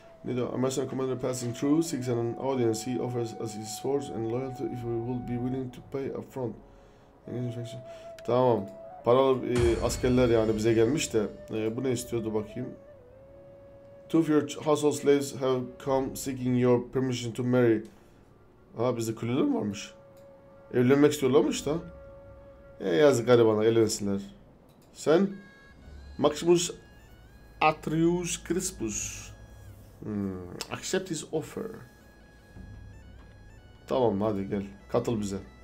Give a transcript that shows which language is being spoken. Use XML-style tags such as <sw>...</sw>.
<en>Need a Mercenary Commander passing through, seeks an audience. He offers us his force and loyalty if we will be willing to pay up front.</en> <tr>Tamam. Paralı askerler yani bize gelmiş de. Bu ne istiyordu bakayım.</tr> <en>Two of your household slaves have come seeking your permission to marry.</en> <tr>Aha, bizde küleler mi varmış? Evlenmek istiyorlarmış da. Yazık garibana, evlensinler.</tr> <en>Sen Maximus Atreus Crispus. Accept his offer.</en> <tr>Tamam hadi gel. Katıl bize.</tr>